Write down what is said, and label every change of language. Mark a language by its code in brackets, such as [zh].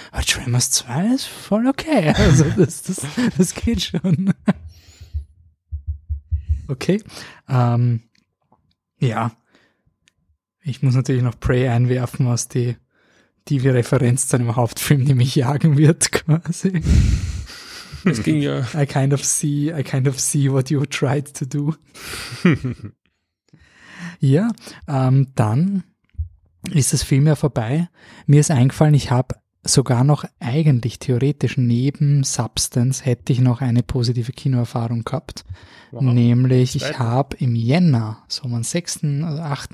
[de] Aber Tremors 2 ist voll okay. Also das geht schon. Okay. Ja. Ich muss natürlich noch Prey einwerfen aus die Referenz zu einem Hauptfilm, die mich jagen wird quasi. Es ging ja. [en] I kind of see what you tried to do. [de] Ja, dann ist das Film ja vorbei. Mir ist eingefallen, ich habe sogar noch eigentlich theoretisch neben Substance hätte ich noch eine positive Kinoerfahrung gehabt. Wow. Nämlich, ich habe im Jänner, so am 6. oder 8.